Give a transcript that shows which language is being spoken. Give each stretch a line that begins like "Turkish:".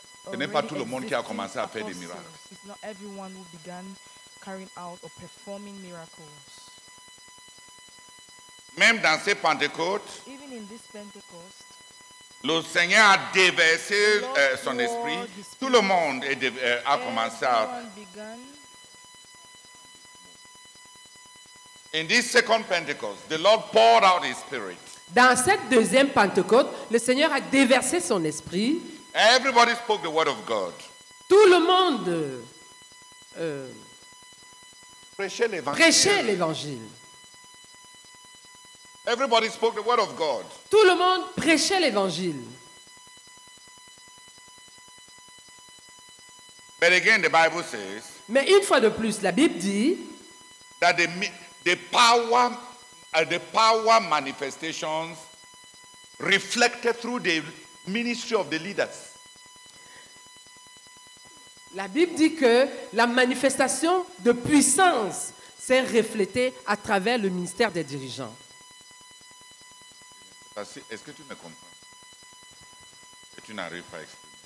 French: Ce n'est pas tout le monde qui a commencé à faire des miracles.
English: It's not everyone who began carrying out or performing miracles.
French: Même dans ces Pentecôtes,
English: even in this Pentecost,
French: le Seigneur a déversé son esprit. Tout le monde a commencé à.
English: In this second Pentecost, the Lord poured out His Spirit.
French: Dans cette deuxième Pentecôte, le Seigneur a déversé son esprit.
English: Everybody spoke the word of God.
French: Tout le monde prêchait l'Évangile.
English: Everybody spoke the word of God.
French: Tout le monde prêchait l'Évangile.
English: But again, the Bible says.
French: Mais une fois de plus, la Bible dit.
English: That the power manifestations reflected through the ministry of the leaders.
French: La Bible dit que la manifestation de puissance s'est reflétée à travers le ministère des dirigeants. Est-ce que tu me comprends? Et tu n'arrives pas à exprimer.